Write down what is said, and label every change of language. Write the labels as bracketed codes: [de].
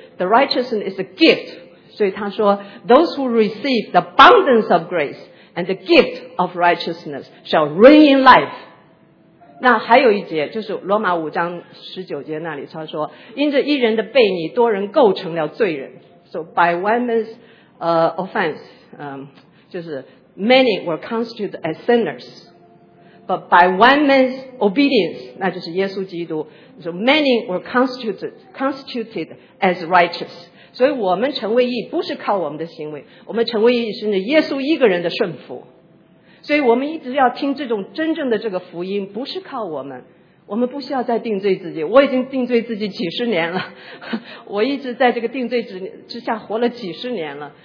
[en] The righteousness is a gift。 [zh] 所以他说 [en] Those who receive the abundance of grace and the gift of righteousness shall reign in life。 [zh] 那还有一节就是罗马5章19节那里，他说因着一人的悖逆，多人构成了罪人。 [en] So by one man's offense [zh] 就是 [en] many were constituted as sinners， but by one man's obedience， [zh] 那就是耶稣基督， [en] so many were constituted as righteous。 [zh] 所以我们成为义不是靠我们的行为，我们成为义是耶稣一个人的顺服。所以我们一直要听这种真正的这个福音，不是靠我们，我们不需要再定罪自己。我已经定罪自己几十年了，我一直在这个定罪之下活了几十年了。